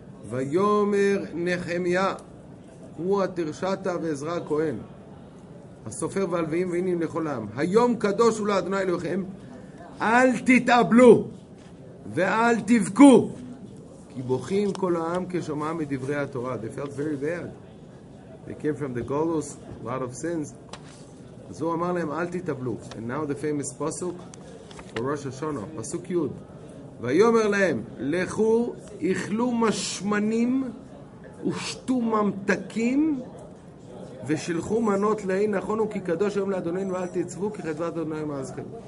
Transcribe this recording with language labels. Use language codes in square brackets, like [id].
[he] ויומר נחמיה, הוא התרשתה ועזרא הכהן הסופר והלוויים ואינים לכל העם, היום קדוש הוא לאדוני אלוהיכם, אל תתאבלו ואל תבכו, כי בוכים כל העם כשומעם מדברי התורה. [en] They felt very bad. They came from the Golos, a lot of sins. [he] אז הוא אמר להם, אל תתאבלו. [en] And now the famous פסוק for Rosh Hashanah, פסוק י'. [he] ויאמר להם, לכו, אכלו משמנים ושתו ממתקים ושלחו מנות לעין, נכון הוא כי קדוש היום לאדוננו, אל תעצבו כי חדוות אדוני מאזכם.